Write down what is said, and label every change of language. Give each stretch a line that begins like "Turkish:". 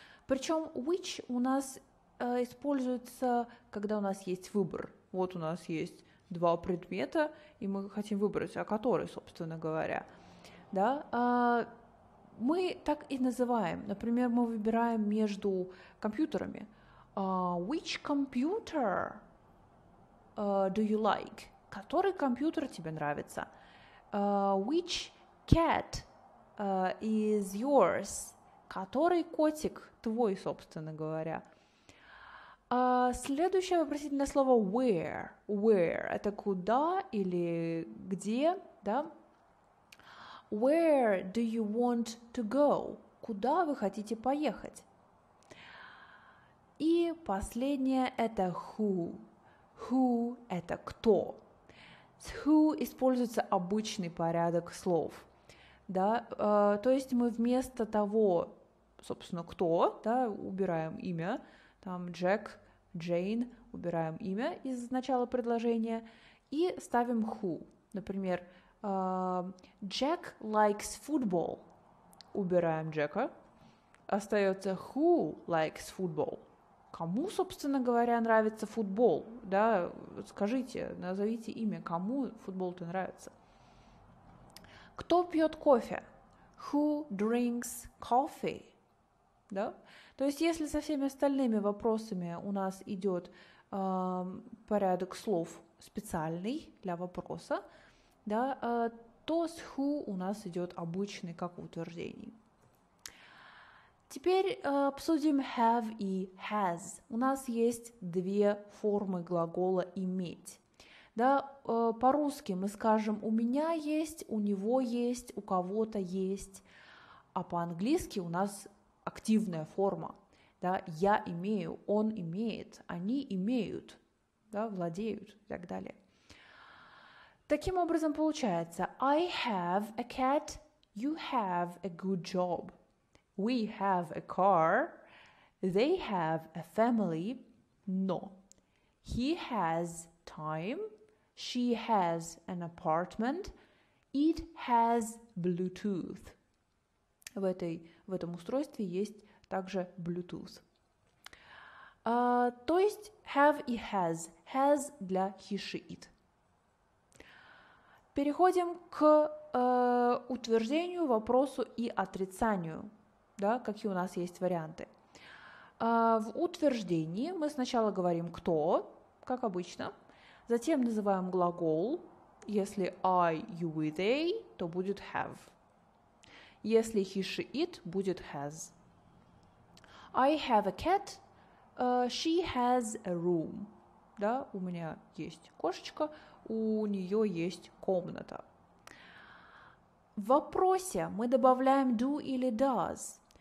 Russian: Причем which у нас используется, когда у нас есть выбор. Вот у нас есть два предмета, и мы хотим выбрать, а который, собственно говоря. Да? Мы так и называем. Например, мы выбираем между компьютерами.
English: Which computer do you like?
Russian: Который компьютер тебе нравится?
English: Which cat is yours?
Russian: Который котик твой, собственно говоря? Следующее вопросительное слово where. Where – это куда или где, да?
English: Where do you want to go?
Russian: Куда вы хотите поехать? И последнее – это who. Who – это кто. С who используется обычный порядок слов, да? То есть мы вместо того, собственно, кто, да, убираем имя, там, Джек, Джейн, убираем имя из начала предложения и ставим who.
English: Например, Jack likes football.
Russian: Убираем Джека.
English: Остается who likes football.
Russian: Кому, собственно говоря, нравится футбол? Да, скажите, назовите имя, кому футбол-то нравится. Кто пьет кофе?
English: Who drinks coffee?
Russian: Да? То есть, если со всеми остальными вопросами у нас идет порядок слов специальный для вопроса, да, то с who у нас идет обычный, как в утверждении. Теперь обсудим have и has. У нас есть две формы глагола иметь. Да, по-русски мы скажем у меня есть, у него есть, у кого-то есть, а по-английски у нас активная форма, да, я имею, он имеет, они имеют, да, владеют и так далее. Таким образом получается,
English: I have a cat, you have a good job, we have a car, they have a family, no, he has time, she has an apartment, it has Bluetooth.
Russian: В этом устройстве есть также Bluetooth. То есть have и has. Has для he, she, it. Переходим к утверждению, вопросу и отрицанию. Да, какие у нас есть варианты. В утверждении мы сначала говорим кто, как обычно. Затем называем глагол. Если I, you, we, they, то будет have. Если he, she, it, будет has.
English: I have a cat. She has a room.
Russian: Да, у меня есть кошечка, у нее есть комната. В вопросе мы добавляем do или does.